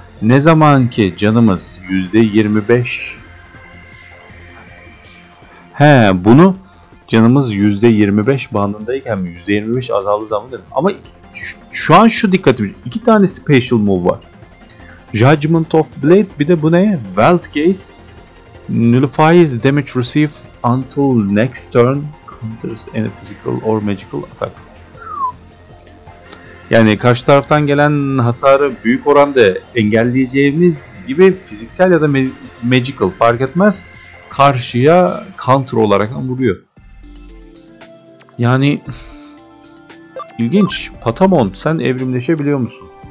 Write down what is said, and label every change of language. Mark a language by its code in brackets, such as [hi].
[tr] Ne zaman ki canımız %25. Bunu canımız %25 bandındayken mi? %25 azaldığı zaman dedim. Ama şu an şu dikkatimi. 2 tane special move var. Judgment of Blade, bir de bu ne? Weltgeist. [en] Nullifies damage received until next turn counters any physical or magical attack. [tr] Yani karşı taraftan gelen hasarı büyük oranda engelleyeceğimiz gibi fiziksel ya da magical fark etmez karşıya counter olarak vuruyor. Yani ilginç. Patamon, sen evrimleşebiliyor musun?